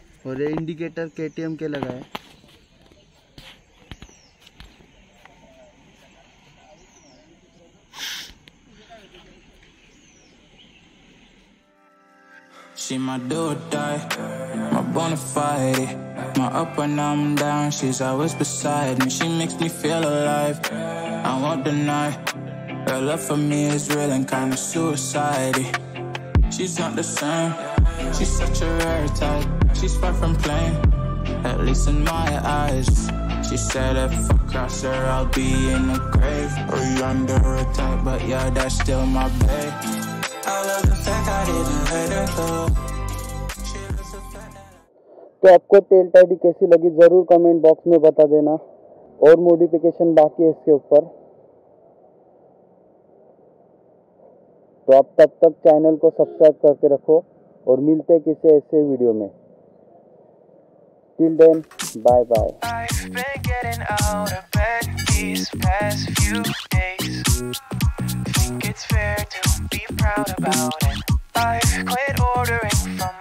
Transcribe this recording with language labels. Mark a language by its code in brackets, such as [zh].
[hi] और ये indicator KTM के लगा है [en] She my do or die, my bona fide. My up when I'm down, she's always beside me. She makes me feel alive, I won't deny. Her love for me is real and kind of suicide-y. She's not the same, she's such a rare type. She's far from plain, at least in my eyes. She said if I cross her, I'll be in a grave. Or under a type, but yeah, that's still my babe. [hi] तो आपको टेलटाइडी कैसी लगी जरूर comment box में बता देना और modification बाकी है इसके ऊपर तो आप तब तक चैनल को सब्सक्राइब करके रखो और मिलते हैं किसी ऐसे वीडियो में [en] Till then bye bye It's fair to be proud about it. I quit ordering food.